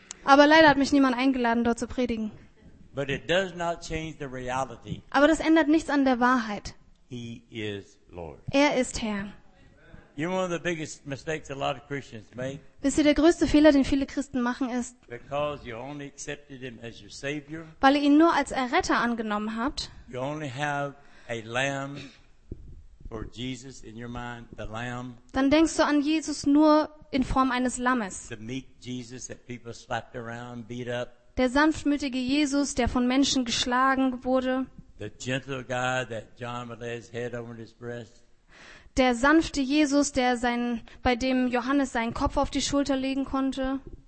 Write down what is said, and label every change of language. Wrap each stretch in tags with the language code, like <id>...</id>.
<de>Aber leider hat mich niemand eingeladen, dort zu predigen.</de> <en>But it does not change the reality.</en> <de>Aber das ändert nichts an der Wahrheit.</de> <en>He is Lord.</en> <de>Er ist Herr.</de> <en>You're one of the biggest mistakes a lot of Christians make.</en> <de>Wisst ihr, der größte Fehler, den viele Christen machen, ist,</de> <en>because you only accepted him as your savior,</en> <de>weil ihr ihn nur als Erretter angenommen habt,</de> <en>you only have a lamb. Or Jesus in your mind, the lamb.</en> <de>Dann denkst du an Jesus nur in Form eines Lammes.</de> <en>The meek Jesus that people slapped around, beat up.</en> <de>Der sanftmütige Jesus, der von Menschen geschlagen wurde.</de> <en>The gentle guy that John would lay his head over his breast.</en> <de>Der sanfte Jesus, bei dem Johannes seinen Kopf auf die Schulter legen konnte.</de>